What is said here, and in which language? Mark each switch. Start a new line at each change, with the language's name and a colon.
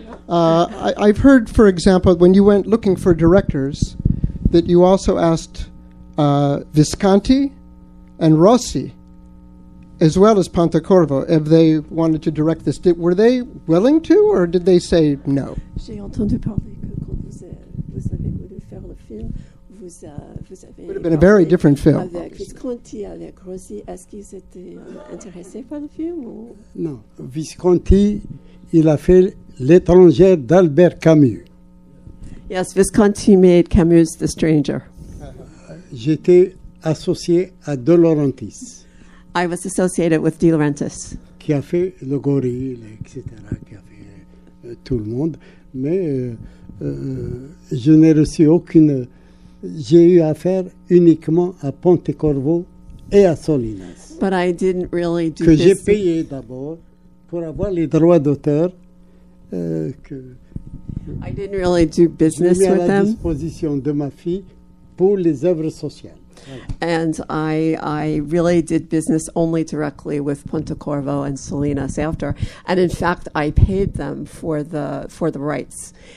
English: I've heard, for example, when you went looking for directors, that you also asked Visconti and Rossi, as well as Pontecorvo, if they wanted to direct this, were they willing to, or did they say no?
French: J'ai entendu parler que quand vous avez voulu faire le film, vous avez.
English: It would have been a very different film.
French: Avec Visconti, avec Rossi, est-ce qu'ils étaient intéressés par le film? Non. Visconti, il a fait L'étrangère d'Albert Camus.
English: Yes, Visconti made Camus The Stranger.
French: J'étais associé à De Laurentiis.
English: I was associated with De Laurentiis.
French: Qui a fait Le Gorille, etc., qui a fait tout le monde. Mais je n'ai reçu aucune... J'ai eu affaire uniquement à Pontecorvo et à Solinas.
English: But I didn't really do
French: que
English: this.
French: J'ai payé d'abord pour avoir les droits d'auteur que...
English: I didn't really do business with them.
French: J'ai mis à la disposition de ma fille pour les œuvres sociales.
English: And I really did business only directly with Pontecorvo and Salinas after. And in fact, I paid them for the rights.